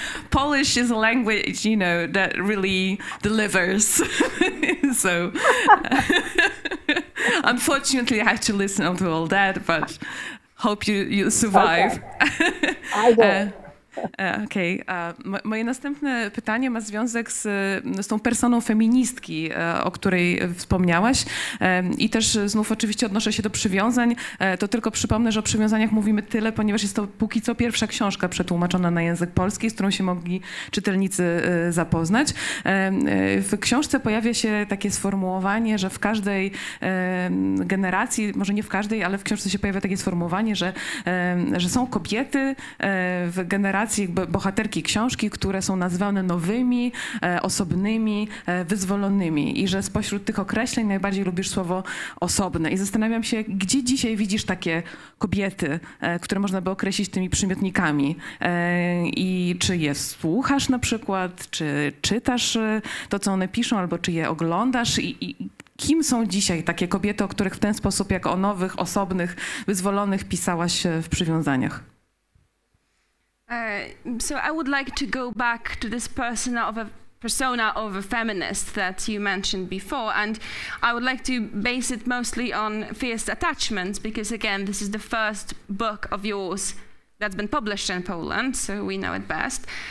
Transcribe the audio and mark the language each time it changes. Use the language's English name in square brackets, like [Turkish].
[English] Polish is a language, you know, that really delivers. So unfortunately, I had to listen to all that, but hope you survive. Okay. [Polish] Moje następne pytanie ma związek z tą personą feministki, o której wspomniałaś. I też znów oczywiście odnoszę się do przywiązań. To tylko przypomnę, że o przywiązaniach mówimy tyle, ponieważ jest to póki co pierwsza książka przetłumaczona na język polski, z którą się mogli czytelnicy zapoznać. W książce pojawia się takie sformułowanie, że w każdej generacji, może nie w każdej, ale w książce się pojawia takie sformułowanie, że są kobiety w generacji, bohaterki książki, które są nazywane nowymi, osobnymi, wyzwolonymi i że spośród tych określeń najbardziej lubisz słowo osobne. I zastanawiam się, gdzie dzisiaj widzisz takie kobiety, które można by określić tymi przymiotnikami i czy je słuchasz na przykład, czy czytasz to, co one piszą, albo czy je oglądasz i kim są dzisiaj takie kobiety, o których w ten sposób, jak o nowych, osobnych, wyzwolonych pisałaś w przywiązaniach? [English] So I would like to go back to this persona of a feminist that you mentioned before, and I would like to base it mostly on Fierce Attachments, because again, this is the first book of yours that's been published in Poland, so we know it best.